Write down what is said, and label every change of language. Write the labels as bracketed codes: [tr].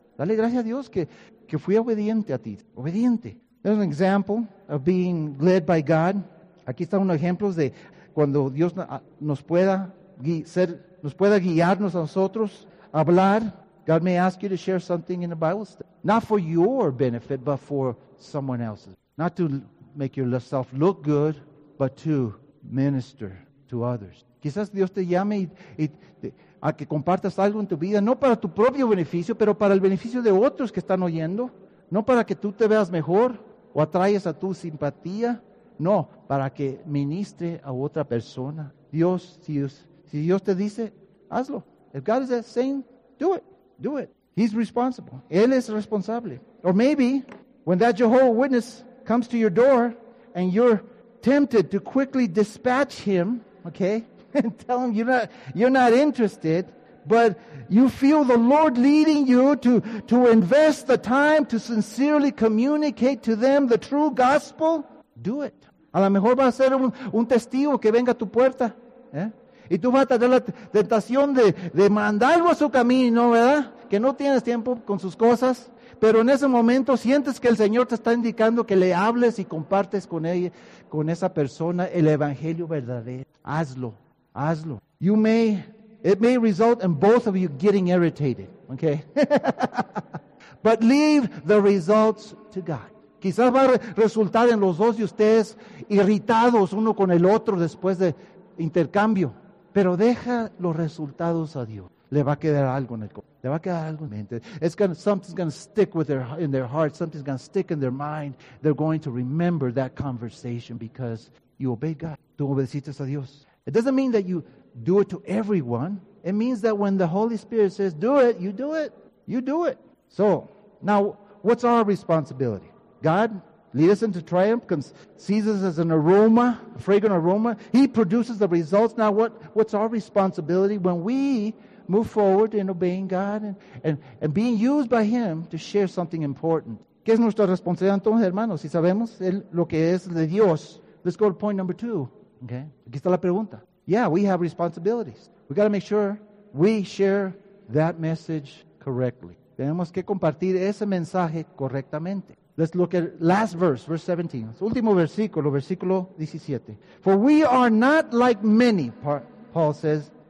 [es] Dale gracias a Dios que fui obediente a ti. Obediente. [en] There's an example of being led by God. [es] Aquí están unos ejemplos de cuando Dios nos pueda guiarnos a nosotros, hablar. [en] God may ask you to share something in the Bible study. Not for your benefit, but for someone else's. Not to make yourself look good, but to minister to others. [es] Quizás Dios te llame a que compartas algo en tu vida, no para tu propio beneficio, pero para el beneficio de otros que están oyendo. No para que tú te veas mejor o atraigas a tu simpatía. No, para que ministre a otra persona. Dios, si Dios te dice, hazlo. [en] If God is saying, do it. Do it. He's responsible. [es] Él es responsable. [en] Or maybe, when that Jehovah Witness comes to your door and you're tempted to quickly dispatch him, okay, and tell him you're not interested, but you feel the Lord leading you to invest the time to sincerely communicate to them the true gospel, do it. [es] A lo mejor va a ser un testigo que venga a tu puerta, ¿eh? Y tú vas a tener la tentación de mandarlo a su camino, ¿verdad? Que no tienes tiempo con sus cosas, pero en ese momento sientes que el Señor te está indicando que le hables y compartes con ella, con esa persona, el evangelio verdadero. Hazlo, hazlo. [en] It may result in both of you getting irritated, okay? But leave the results to God. [es] Quizás va a resultar en los dos de ustedes irritados uno con el otro después de intercambio. Pero deja los resultados a Dios. Le va a quedar algo en el corazón. Le va a quedar algo en la mente. [en] Something's going to stick in their heart. Something's going to stick in their mind. They're going to remember that conversation because you obey God. [es] Tú obedeciste a Dios. [en] It doesn't mean that you do it to everyone. It means that when the Holy Spirit says, do it, you do it. You do it. So, now, what's our responsibility? God leads us into triumph, sees us as an aroma, a fragrant aroma. He produces the results. Now, what's our responsibility when we move forward in obeying God and being used by Him to share something important? [es] ¿Qué es nuestra responsabilidad entonces, hermanos? Si sabemos lo que es de Dios, [en] let's go to point number two. Okay. [es] Aquí está la pregunta. [en] Yeah, we have responsibilities. We got to make sure we share that message correctly. [es] Tenemos que compartir ese mensaje correctamente. [en] Let's look at last verse, verse 17. [es] Último versículo, versículo 17. [en] For we are not like many, Paul says,